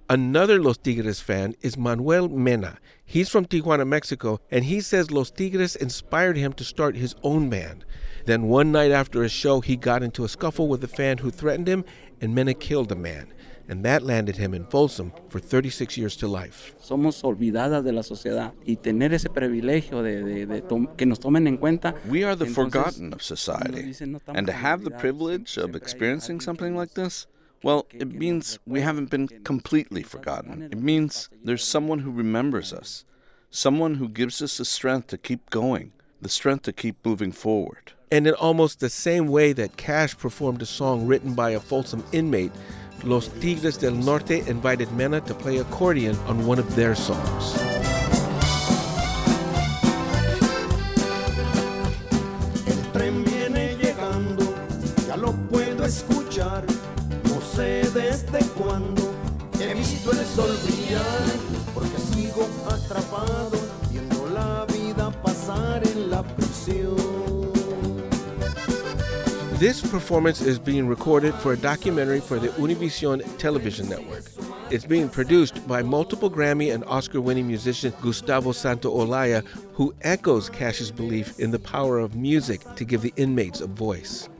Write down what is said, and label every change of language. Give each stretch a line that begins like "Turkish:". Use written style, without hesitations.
English: Another Los Tigres fan is Manuel Mena. He's from Tijuana, Mexico, and he says Los Tigres inspired him to start his own band. Then one night after a show, he got into a scuffle with a fan who threatened him, and Mena killed the man. And that landed him in Folsom for 36 years to life.
Spanish: Somos olvidadas de la sociedad y tener ese privilegio de que nos tomen en cuenta.
English: We are the forgotten of society, and to have the privilege of experiencing something like this, well, it means we haven't been completely forgotten. It means there's someone who remembers us, someone who gives us the strength to keep going, the strength to keep moving forward. And in almost the same way that Cash performed a song written by a Folsom inmate, Los Tigres del Norte invited Mena to play accordion on one of their songs.
Spanish: El tren viene llegando, ya lo puedo escuchar. No sé desde cuándo he visto el sol brillar, porque sigo atrapado viendo la vida pasar en la prisión.
English: This performance is being recorded for a documentary for the Univision Television Network. It's being produced by multiple Grammy and Oscar-winning musician Gustavo Santaolalla, who echoes Cash's belief in the power of music to give the inmates a voice.